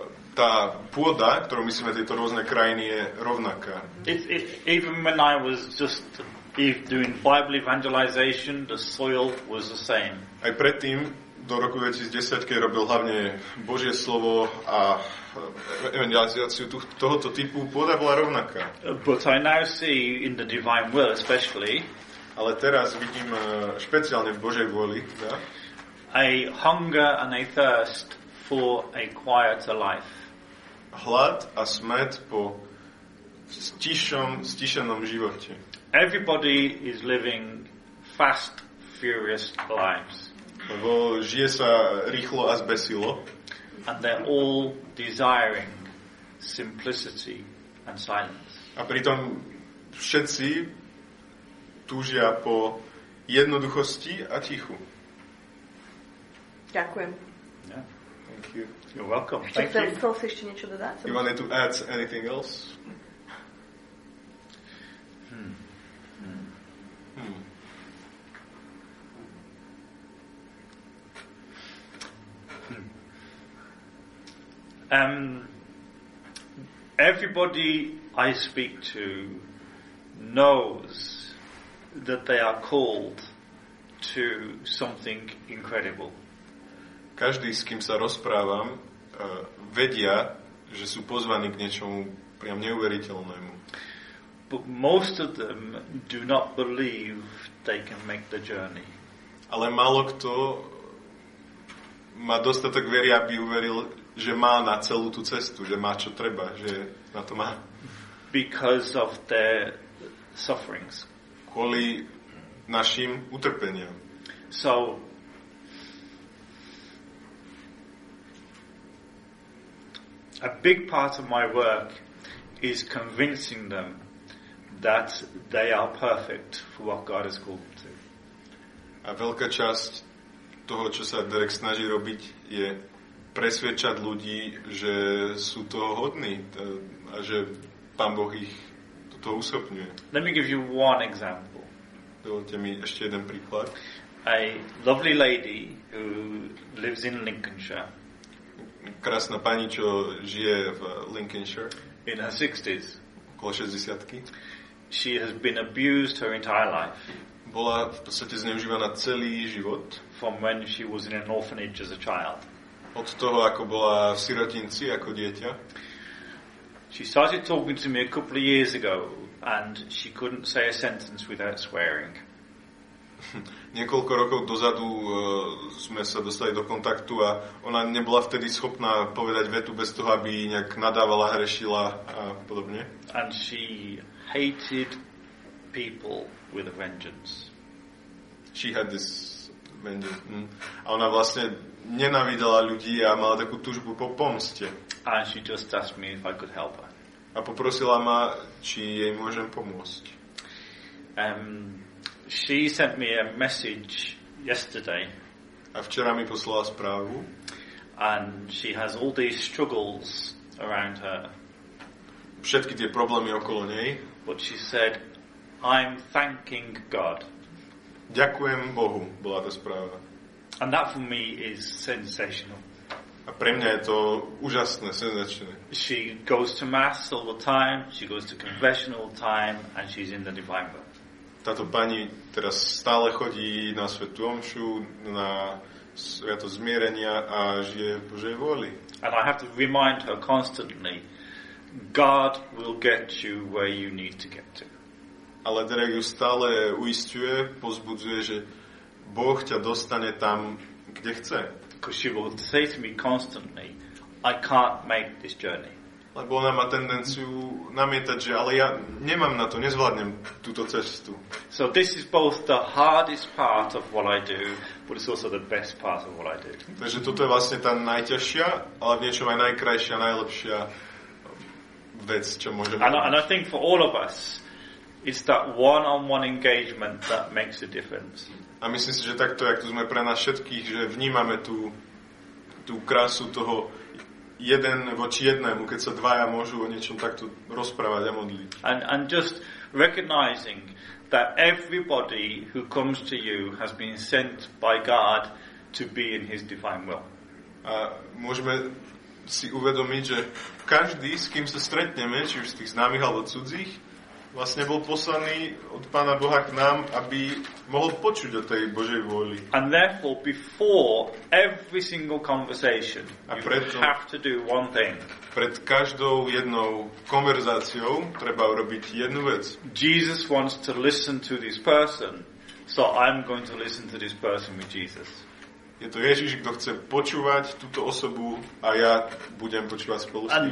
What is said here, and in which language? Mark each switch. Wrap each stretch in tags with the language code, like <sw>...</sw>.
<sk>Tá pôda, ktorú myslíme, tieto rôzne krajiny, je rovnaká.</sk> <en>Even when I was just doing Bible evangelization, the soil was the same.</en> <sk>Aj predtým, do roku 2010, keď robil hlavne Božie slovo a evangelizáciu tohoto typu, pôda bola rovnaká.</sk> <en>But I now see in the divine will especially,</en> <sk>ale teraz vidím špeciálne v Božej vôli,</sk> <en>a hunger and a thirst for a quieter life.</en> <sk>Hlad a smet po stišenom živote.</sk> <en>Everybody is living fast, furious lives.</en> <sk>Lebo žije sa rýchlo a zbesilo.</sk> <en>And they're all desiring simplicity and silence.</en> <sk>A pritom všetci túžia po jednoduchosti a tichu. Ďakujem.</sk> <en>Yeah. Thank you. You're welcome.</en> <sk>Ešte niečo dodať?</sk> <en>You wanted to add anything else? Everybody I speak to knows that they are called to something incredible.</en> <sk>Každý, s kým sa rozprávam, vedia, že sú pozvaní k niečomu priam neuveriteľnému.</sk> <en>But most of them do not believe they can make the journey.</en> <sk>Ale málo kto má dostatok viery, aby uveril, že má na celú tú cestu, že má čo treba, že na to má.</sk> <en>Because of their sufferings.</en> <sk>Kvôli našim utrpeniam.</sk> <en>So, a big part of my work is convincing them that they are perfect for what God has called them to.</en> <sk>A veľká časť toho, čo sa Derek snaží robiť, je presvedčať ľudí, že sú to hodní a že Pán Boh ich toto usopňuje.</sk> <en>Let me give you one example.</en> <sk>Dovolte mi ešte jeden príklad.</sk> <en>A lovely lady who lives in Lincolnshire.</en> <sk>Krásna pani, čo žije v Lincolnshire.</sk> <en>In her 60s.</en> <sk>Okolo 60-ky.</sk> <en>She has been abused her entire life.</en> <sk>Bola v podstate zneužívaná celý život.</sk> <en>From when she was in an orphanage as a child.</en> <sk>Od toho, ako bola v sirotinci ako dieťa.</sk> <en>She started talking to me a couple of years ago and she couldn't say a sentence without swearing.</en> <sk>Niekoľko rokov dozadu sme sa dostali do kontaktu a ona nebola vtedy schopná povedať vetu bez toho, aby nejak nadávala, hrešila a podobne.</sk> <en>And she hated people with a vengeance. She had this vengeance.</en> <sk>A ona vlastne nenávidela ľudí a mala takú túžbu po pomste.</sk> <en>And she just asked me if I could help her.</en> <sk>A poprosila ma, či jej môžem pomôcť.</sk> <en>She sent me a message yesterday.</en> <sk>A včera mi poslala správu.</sk> <en>And she has all these struggles around her.</en> <sk>Všetky tie problémy okolo nej.</sk> <en>But she said, I'm thanking God.</en> <sk>Ďakujem Bohu, bola tá správa.</sk> <en>And that for me is sensational.</en> <sk>A pre mňa je to úžasné, senzačné.</sk> <en>She goes to mass all the time, she goes to confession all the time, and she's in the divine will.</en> <sk>Táto pani teraz stále chodí na svetú omšu, na sviatosť zmierenia a žije v Božej vôli.</sk> <en>And I have to remind her constantly, God will get you where you need to get to.</en> <sk>Ale Derek ju stále uisťuje, pozbudzuje, že Boh ťa dostane tam, kde chce.</sk> <en>Because she will say to me constantly, I can't make this journey.</en> <sk>Lebo ona má tendenciu namietať, že ale ja nemám na to, nezvládnem túto cestu.</sk> <en>So this is both the hardest part of what I do, but it's also the best part of what I do.</en> <sk>Takže toto je vlastne tá najťažšia, ale v niečom aj najkrajšia, najlepšia vec, čo môžem mať.</sk> <en>And I think for all of us, it's that one-on-one engagement that makes a difference.</en> <sk>A myslím si, že takto, jak to sme pre nás všetkých, že vnímame tú krásu toho jeden voči jednému, keď sa dvaja môžu o niečom takto rozprávať a modliť.</sk> <en>And just recognizing that everybody who comes to you has been sent by God to be in his divine will.</en> <sk>A môžeme si uvedomiť, že každý, s kým sa stretneme, či už z tých známych alebo cudzích, Vlastne bol poslaný od Pána Boha k nám, aby mohol počuť o tej Božej vôli.</sk> <en>And therefore, before every single conversation, you have to do one thing.</en> <sk>Pred každou jednou konverzáciou treba urobiť jednu vec.</sk> <en>Jesus wants to listen to this person, so I'm going to listen to this person with Jesus.</en> <sk>Je to Ježiš, kto chce počúvať túto osobu a ja budem počúvať spolu s ním.</sk>